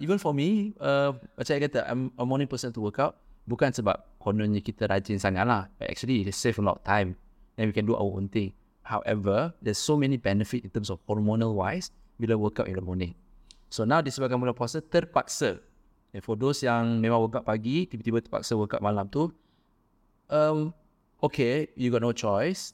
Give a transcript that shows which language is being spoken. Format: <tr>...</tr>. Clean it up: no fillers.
<en>Even for me,</en> <ms>macam saya kata,</ms> <en>I'm a morning person to work out.</en> <ms>Bukan sebab kononnya kita rajin sangat lah.</ms> <en>Actually, it save a lot of time. Then we can do our own thing. However, there's so many benefit in terms of hormonal wise bila workout in the morning. So now</en> <ms>disebabkan bulan puasa, terpaksa.</ms> <en>And for those</en> <ms>yang memang workout pagi, tiba-tiba terpaksa workout malam tu,</ms> <en>okay, you got no choice.</en>